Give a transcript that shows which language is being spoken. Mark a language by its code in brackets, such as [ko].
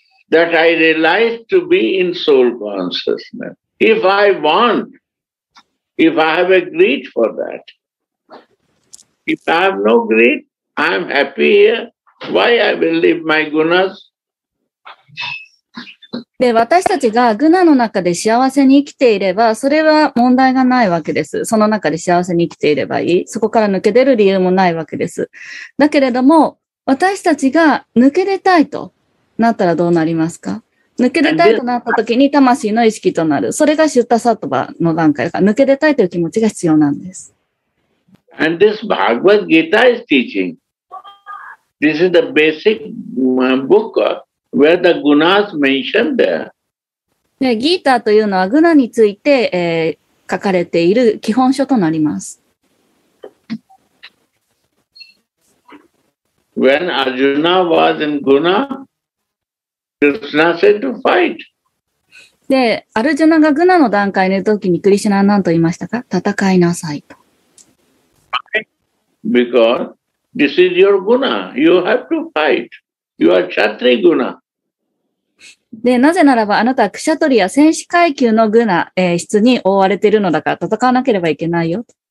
[en] That I realize to be in soul consciousness. If I want, if I have a greed for that, if I have no greed, I am happy here. Why I will leave my gunas? [ja] で、私たちがグナの中で幸せに生きていれば、それは問題がないわけです。その中で幸せに生きていればいい。そこから抜け出る理由もないわけです。だけれども、私たちが抜け出たいと、なったらどうなりますか？抜け出たいとなった時に魂の意識となる。それがシュッタサトバの段階だから、抜け出たいという気持ちが必要なんです。 [en] And this Bhagavad Gita is teaching. This is the basic book where the gunas mentioned there. [ja] でギーターというのはグナについて、書かれている基本書となります。 [en] When Arjuna was in Guna, Krishna said to fight. [ja] で、アルジュナがグナの段階の時にクリシュナは何と言いましたか？戦いなさいと。 [en] Because this is your Guna. You have to fight. You are Kshatriya Guna. [ja] でなぜならばあなたはクシャトリア戦士階級のグナ、質に覆われているのだから戦わなければいけないよ。